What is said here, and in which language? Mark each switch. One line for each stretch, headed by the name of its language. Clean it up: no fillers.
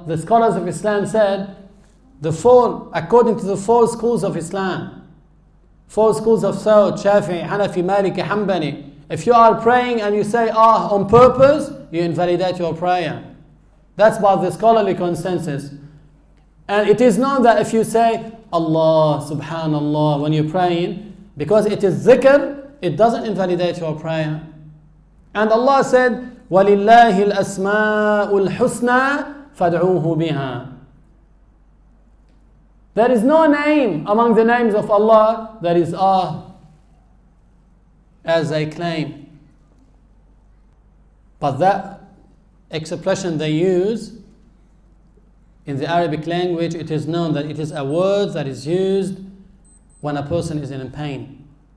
English: The scholars of Islam said, according to the four schools of Islam, four schools of thought, Shafi'i, Hanafi, Maliki, Hanbali, if you are praying and you say, on purpose, you invalidate your prayer. That's by the scholarly consensus. And it is known that if you say Allah, Subhanallah, when you're praying, because it is zikr, it doesn't invalidate your prayer.
Arabic: And Allah said, وَلِلَّهِ الْأَسْمَاءُ الْحُسْنَى فَادْعُوهُ بِهَا.
English: There is no name among the names of Allah that is as they claim. But that expression they use in the Arabic language, it is known that it is a word that is used when a person is in pain.